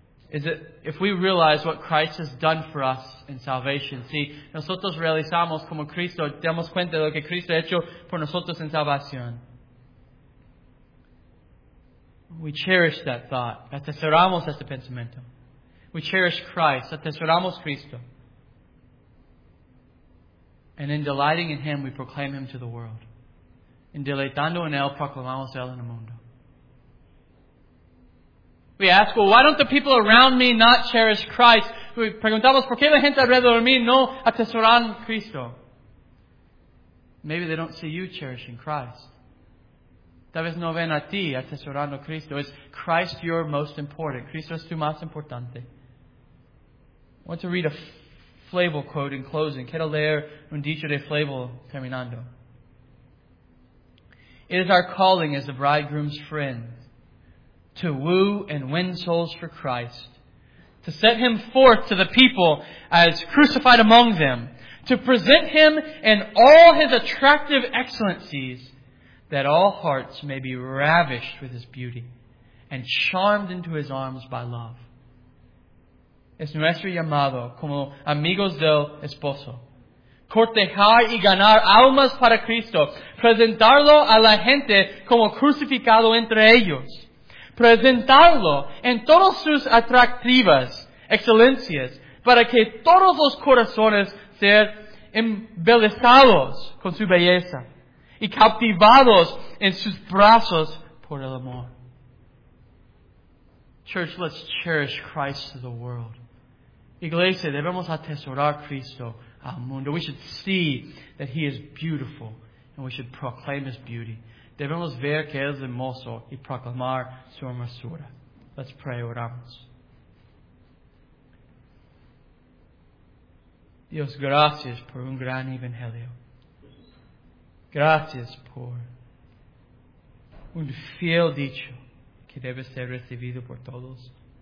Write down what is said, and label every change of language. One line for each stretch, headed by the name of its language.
English: Is that if we realize what Christ has done for us in salvation.
Spanish: Si nosotros realizamos como Cristo, damos cuenta de lo que Cristo ha hecho por nosotros en salvación.
English: We cherish that thought.
Spanish: Atesoramos ese pensamiento.
English: We cherish Christ.
Spanish: Atesoramos Cristo.
English: And in delighting in Him, we proclaim Him to the world.
Spanish: In deleitando en Él, proclamamos Él en el mundo.
English: We ask, well, why don't the people around me not cherish Christ?
Spanish: We preguntamos, ¿por qué la gente alrededor de mí no atesoran Cristo?
English: Maybe they don't see you cherishing Christ.
Spanish: Tal vez no ven a ti atesorando Cristo.
English: Is Christ your most important?
Spanish: Cristo es tu más importante.
English: I want to read a Flavel quote in closing.
Spanish: Quiero leer un dicho de Flavel terminando.
English: It is our calling as the bridegroom's friend. To woo and win souls for Christ. To set Him forth to the people as crucified among them. To present Him in all His attractive excellencies. That all hearts may be ravished with His beauty. And charmed into His arms by love.
Spanish: Es nuestro llamado como amigos del esposo. Cortejar y ganar almas para Cristo. Presentarlo a la gente como crucificado entre ellos. Presentarlo en todas sus atractivas excelencias para que todos los corazones sean embelesados con su belleza y cautivados en sus brazos por el amor.
English: Church, let's cherish Christ to the world.
Spanish: Iglesia, debemos atesorar Cristo al mundo.
English: We should see that He is beautiful and we should proclaim His beauty.
Spanish: Debemos ver que es hermoso y proclamar su hermosura.
English: Let's pray,
Spanish: oramos. Dios, gracias por un gran evangelio. Gracias por un fiel dicho que debe ser recibido por todos.